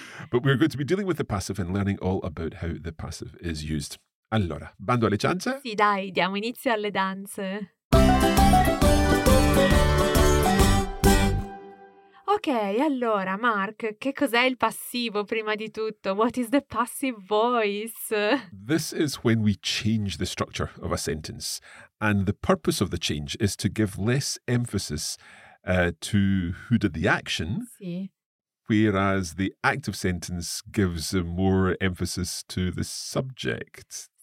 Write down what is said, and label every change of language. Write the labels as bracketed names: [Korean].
[English] But we're going to be dealing with the passive and learning all about how the passive is used. [Italian] Allora, bando alle ciance. Sì, dai, diamo inizio alle danze. Ok, allora, Mark, che cos'è il passivo prima di tutto? [English] What is the passive voice? This is when we change the structure of a sentence. And the purpose of the change is to give less emphasis to who did the action, [Italian] sì, [English] whereas the active sentence gives more emphasis to the subject.